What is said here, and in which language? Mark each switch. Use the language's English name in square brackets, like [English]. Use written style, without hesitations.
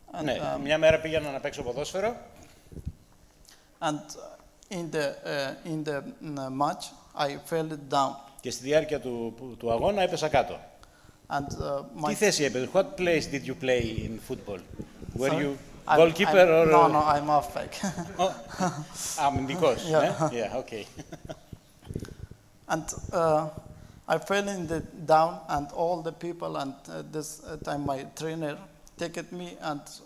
[Greek] Ναι, μια μέρα πήγαινα να παίξω ποδόσφαιρο. [English] And in the match I fell down. [Greek] Και στη διάρκεια του αγώνα έπεσα κάτω. [English] And [Greek] τι θέση έπαιζε? [English] What place did you play in football? Were you goalkeeper or? No, no, I'm off back. [Greek] Oh, αμυντικός, ναι. [English] Yeah, okay. And I fell in the down and all the people and this time my trainer take me and